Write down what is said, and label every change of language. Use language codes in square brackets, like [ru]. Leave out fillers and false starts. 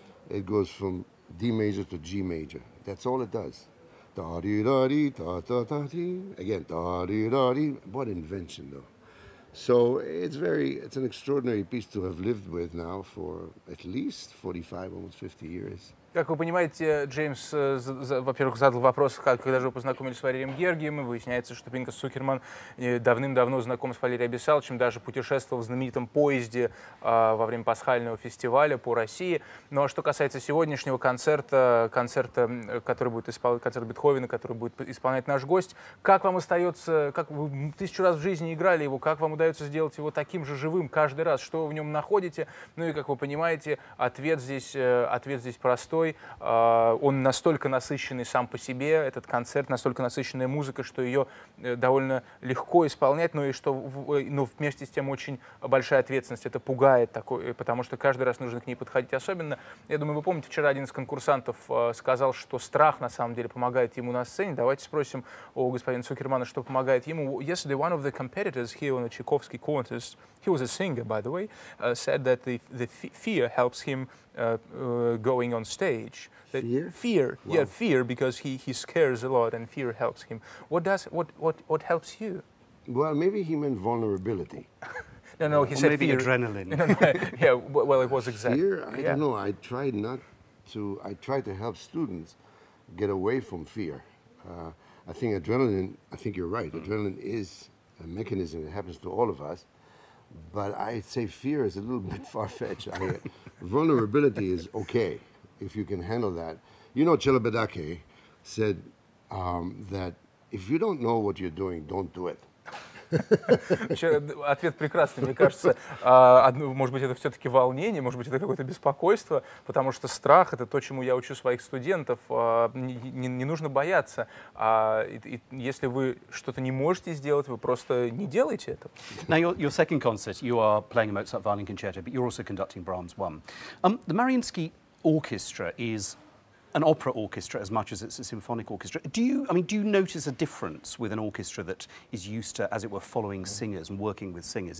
[en] It goes from D major to G major. That's all it does. Da-di-da-di, ta-ta-ta-di. Again, da-di-da-di. What invention, though. So it's an extraordinary piece to have lived with now for at least 45, almost 50 years. [ru] Как вы понимаете, Джеймс, во-первых, задал вопрос, когда же вы познакомились с Валерием Гергием, и выясняется, что Пинкас Цукерман давным-давно знаком с Валерием Абисаловичем, даже путешествовал в знаменитом поезде во время пасхального фестиваля по России. Ну а что касается сегодняшнего концерта, который будет концерт Бетховена, который будет исполнять наш гость, как вам остается, как вы тысячу раз в жизни играли его, как вам удается сделать его таким же живым каждый раз, что вы в нем находите? Ну и, как вы понимаете, ответ здесь простой. Он настолько насыщенный сам по себе, этот концерт, настолько насыщенная музыка, что ее довольно легко исполнять, но вместе с тем очень большая ответственность. Это пугает, потому что каждый раз нужно к ней подходить особенно. Я думаю, вы помните, вчера один из конкурсантов сказал, что страх на самом деле помогает ему на сцене. Давайте спросим у господина Цукермана, что помогает ему. [en] Yesterday, one of the competitors here on the Tchaikovsky contest, he was a singer, by the way, said that the fear helps him going on stage. Fear? Fear. Wow. Yeah, fear, because he scares a lot and fear helps him. What helps you? Well, maybe he meant vulnerability. No, he said maybe fear. Adrenaline. Yeah, well, it was exactly. Fear? I don't know. I try to help students get away from fear. I think you're right. Mm-hmm. Adrenaline is a mechanism that happens to all of us. But I'd say fear is a little bit far-fetched. Vulnerability is okay if you can handle that. You know, Celibidache said that if you don't know what you're doing, don't do it. [ru] Ответ прекрасный, мне кажется. Может быть, это все-таки волнение, может быть, это какое-то беспокойство, потому что страх — это то, чему я учу своих студентов. Не нужно бояться. Если вы что-то не можете сделать, вы просто не делайте это. [en] Now, your second concert, you are playing a Mozart violin concerto, but you're also conducting Brahms I. The Mariinsky Orchestra is an opera orchestra as much as it's a symphonic orchestra. Do you notice a difference with an orchestra that is used to, as it were, following singers and working with singers?